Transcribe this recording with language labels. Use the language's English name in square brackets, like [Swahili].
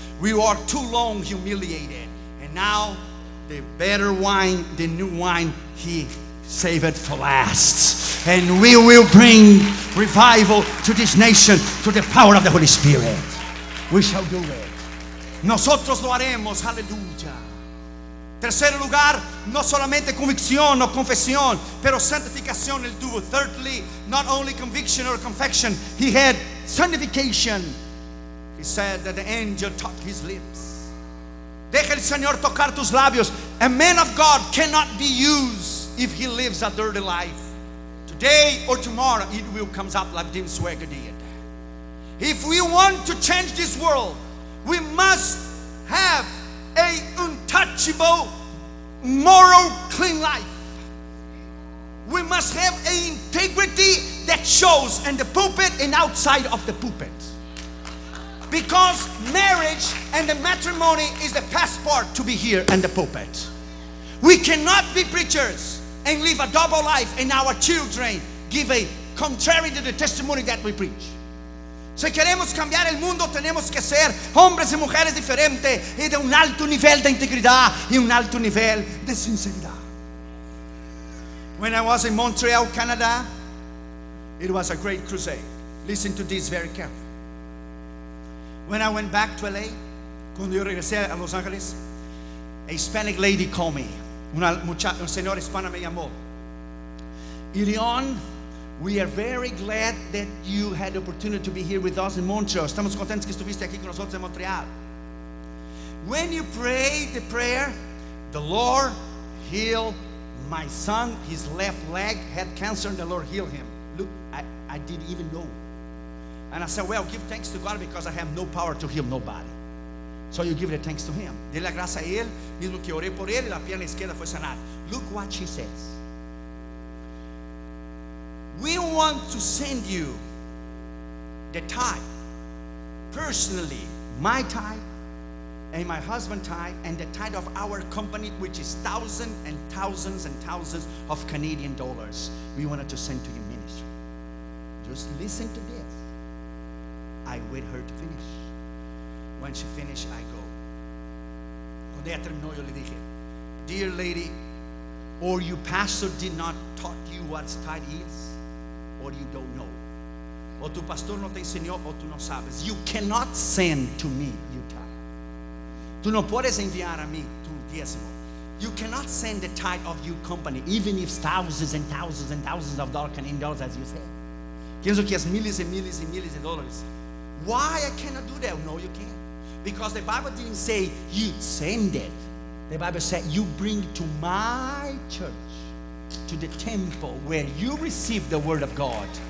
[English] We are too long humiliated. And now the better wine, the new wine, he saved it for last. And we will bring revival to this nation through the power of the Holy Spirit. We shall do it. [Spanish] Nosotros lo haremos. [English] Hallelujah. [Spanish] Tercer lugar, no solamente convicción o confesión, pero santificación, el tuvo. [English] Thirdly, not only conviction or confession, he had sanctification. He said that the angel touched his lips. [Spanish] Deja el Señor tocar tus labios. [English] A man of God cannot be used if he lives a dirty life. Today or tomorrow, it will come up like Jim Swagger did. If we want to change this world, we must have a untouchable, moral, clean life. We must have an integrity that shows in the pulpit and outside of the pulpit. Because marriage and the matrimony is the passport to be here in the pulpit. We cannot be preachers and live a double life and our children give a contrary to the testimony that we preach. [Spanish] Se queremos cambiar el mundo, tenemos que ser hombres y mujeres diferentes y de un alto nivel de integridad y un alto nivel de sinceridad. [English] When I was in Montreal, Canada, it was a great crusade. Listen to this very carefully. When I went back to LA, [Spanish] cuando yo regresé a Los Angeles, [English] a Hispanic lady called me. [Spanish] Una muchacha, un señor hispano me llamó. [English] Yrion, we are very glad that you had the opportunity to be here with us in Montreal. [Spanish] Estamos contentos que estuviste aquí con nosotros en Montreal. [English] When you pray the prayer, the Lord heal my son, his left leg had cancer, and the Lord healed him. Look, I didn't even know. And I said, well, give thanks to God because I have no power to heal nobody. So you give the thanks to him. [Spanish] De la gracia a él, mismo que oré por él, la pierna izquierda fue sanada. [English] Look what she says. We want to send you the tithe, personally, my tithe and my husband's tithe and the tithe of our company, which is thousands and thousands and thousands of Canadian dollars. We wanted to send to your ministry. Just listen to this. I wait her to finish. When she finished, I go. [Spanish] Cuando ella terminó, yo le dije, [English] dear lady, or your pastor did not taught you what tithe is. Or you don't know. [Spanish] O tu pastor no te enseñó, o tu no sabes. [English] You cannot send to me your tithe. [Spanish] Tú no puedes enviar a mí tu diezmo. [English] You cannot send the tithe of your company, even if thousands and thousands and thousands of dollars can indulge, as you say. [Spanish] Pienso que es miles y miles y miles de dólares. [English] Why I cannot do that? No, you can't. Because the Bible didn't say you send it. The Bible said you bring to my church. To the temple where you receive the word of God.